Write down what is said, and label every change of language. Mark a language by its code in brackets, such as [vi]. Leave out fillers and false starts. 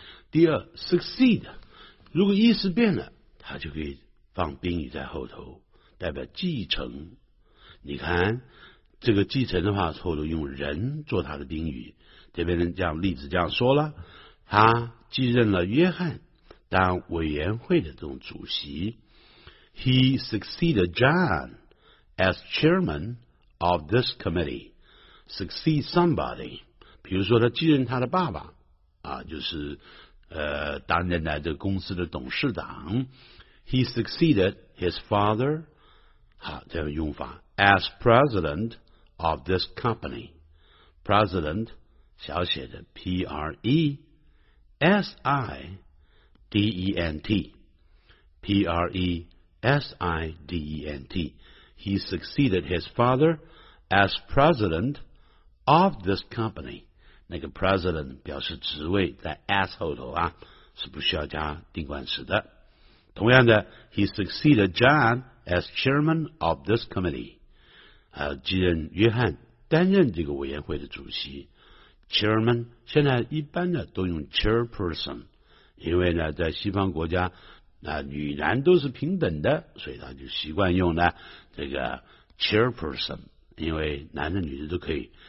[zh] 第二， succeed 如果意思变了，它就可以放宾语在后头，代表继承。你看这个继承的话，后头用人做他的宾语，这边这样例子这样说了，他继任了约翰当委员会的这种主席。 [en] He succeeded John as chairman of this committee. Succeed somebody， [zh] 比如说他继任他的爸爸啊，就是担任了这个公司的董事长。 [en] He succeeded his father， [zh] 好，这样用法， [en] as presidentof this company， president [zh] 小写的 [en] president S-I-D-E-N-T. He succeeded his father as president of this company. [zh] 那个 president 表示职位，在 as 后头啊，是不需要加定冠词的。同样的 [en] ，he succeeded John as chairman of this committee. [zh] 继任约翰担任这个委员会的主席。 Chairman 现在一般呢都用 chairperson， 因为呢在西方国家那、女男都是平等的，所以他就习惯用呢这个 chairperson， 因为男的女的都可以。